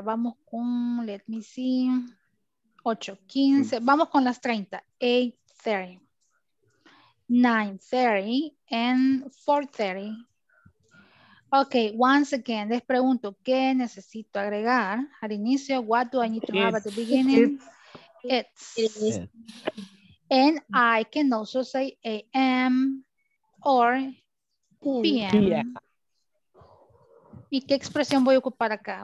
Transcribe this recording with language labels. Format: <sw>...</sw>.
<es>Vamos con,</es> <en>let me see.</en> <es>8, 15, vamos con las 30, 8:30, 9:30, and 4:30. Ok,</es> <en>once again,</en> <es>les pregunto, ¿qué necesito agregar al inicio?</es> <en>What do I need to have at the beginning? It's. And I can also say AM or PM.</en> <es>Yeah. ¿Y qué expresión voy a ocupar acá?</es>